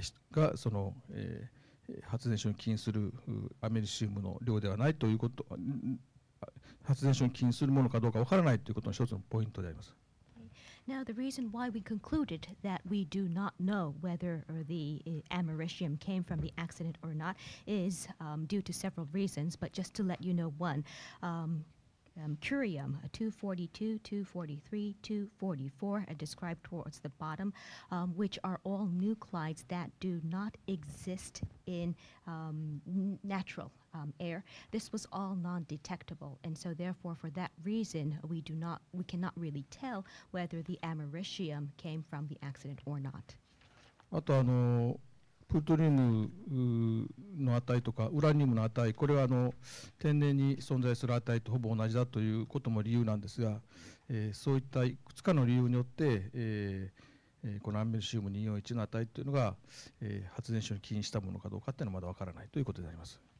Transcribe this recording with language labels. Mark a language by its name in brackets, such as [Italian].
[Japanese] がその、発電所に起因するアメリシウムの量ではないということ、発電所に起因するものかどうかわからないということの一つのポイントであります。 [English] Now, the reason why we concluded that we do not know whether the americium came from the accident or not is due to several reasons, but just to let you know one, curium 242, 243, 244 are described towards the bottom, which are all nuclides that do not exist in natural air. This was all non-detectable, and so therefore, for that reason, we cannot really tell whether the americium came from the accident or not. [Japanese] あと、プルトニウムの値とかウラニウムの値、これは天然に存在する値とほぼ同じだということも理由なんですが、そういったいくつかの理由によって、このアメリシウム241の値というのが、発電所に起因したものかどうかというのはまだ分からないということであります。